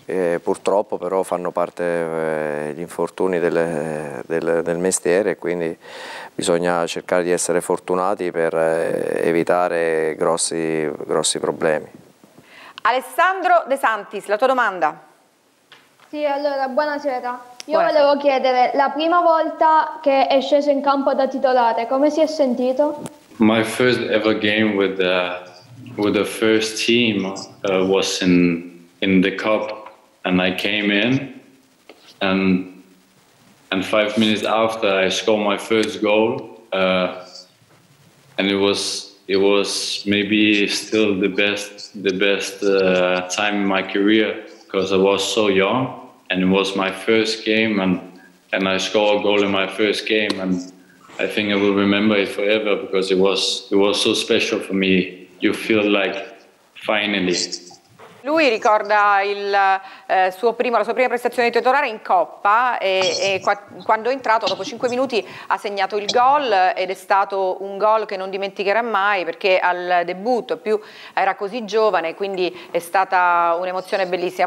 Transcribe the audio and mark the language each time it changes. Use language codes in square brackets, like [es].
[it] E purtroppo però fanno parte gli infortuni del mestiere, quindi bisogna cercare di essere fortunati per evitare grossi problemi. Alessandro De Santis, la tua domanda. Sì, allora, buonasera. Io volevo chiedere, la prima volta che è sceso in campo da titolare, come si è sentito? [en] My first ever game with the first team was in the cup, and I came in, and 5 minutes after I scored my first goal, and it was maybe still the best time in my career, because I was so young. And it was my first game, and I scored a goal in my first game, and I think I will remember it forever, because it was so special for me. You feel like finally. [it] Lui ricorda la sua prima prestazione di titolare in Coppa, e quando è entrato, dopo 5 minuti, ha segnato il gol, ed è stato un gol che non dimenticherà mai, perché al debutto più era così giovane, quindi è stata un'emozione bellissima.